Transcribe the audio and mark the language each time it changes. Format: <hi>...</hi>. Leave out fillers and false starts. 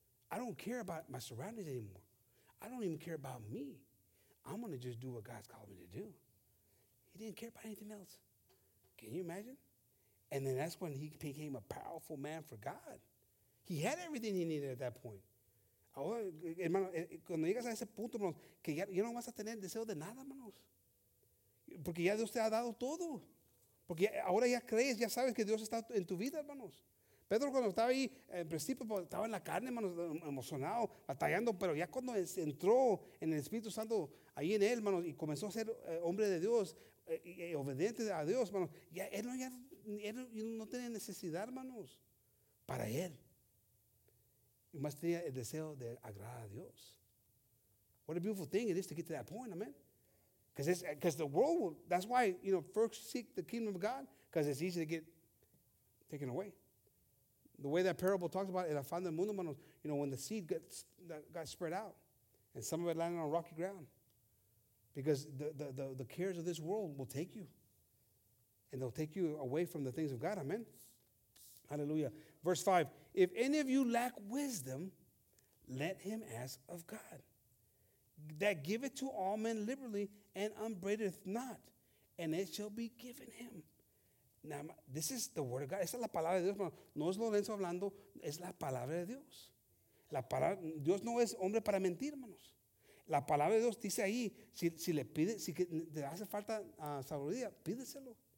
<en>I don't care about my surroundings anymore. I don't even care about me. I'm going to just do what God's called me to do. He didn't care about anything else. Can you imagine? And then that's when he became a powerful man for God. He had everything he needed at that point.</en> <es>Ahora, hermano, cuando llegas a ese punto, manos, que ya no vas a tener deseo de nada, manos. Porque ya Dios te ha dado todo. Porque ahora ya crees, ya sabes que Dios está en tu vida, hermanos. Pedro, cuando estaba ahí, en principio estaba en la carne, hermanos, emocionado, batallando. Pero ya cuando entró en el Espíritu Santo, ahí en él, hermanos, y comenzó a ser hombre de Dios, y obediente a Dios, hermanos, ya él no tenía necesidad, hermanos, para él. Y más tenía el deseo de agradar a Dios.</es> <en>What a beautiful thing it is to get to that point, amen. Because the world will, that's why, you know, first seek the kingdom of God, because it's easy to get taken away. The way that parable talks about it, you know, when the seed got spread out, and some of it landed on rocky ground. Because the cares of this world will take you. And they'll take you away from the things of God. Amen. Hallelujah. Verse 5, if any of you lack wisdom, let him ask of God, that giveth to all men liberally and upbraideth not, and it shall be given him. Now, this is the word of God.</en> <es>Esa es la palabra de Dios, hermano. No es Lorenzo hablando, es la palabra de Dios. La palabra, Dios no es hombre para mentir, hermanos. La palabra de Dios dice ahí, si le pide, si te hace falta sabiduría, pídeselo.</es>